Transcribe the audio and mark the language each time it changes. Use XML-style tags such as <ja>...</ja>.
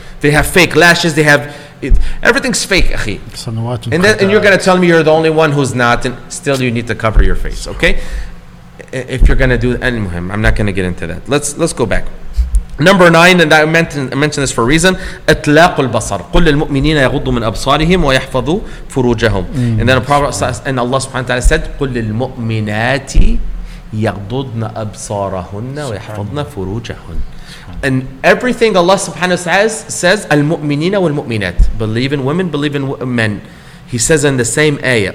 <en>They have fake lashes, they have... everything's fake, akhi. And you're going to tell me you're the only one who's not, and still you need to cover your face, okay? If you're going to do anyhum, I'm not going to get into that. Let's go back. Number 9, and I mentioned this for a reason.</en> <ar>اطلاق البصر. قل للمؤمنين يغضوا من أبصارهم ويحفظوا فروجهم.</ar> <en>And then and Allah subhanahu wa ta'ala said,</en> <ar>قل للمؤمنات يغضضن أبصارهن ويحفظن فروجهن.</ar> <en>And everything Allah subhanahu wa ta'ala says,</en> <ar>al-mu'minina wal-mu'minat.</ar> <en>Believe in women, believe in men. He says in the same ayah.</en>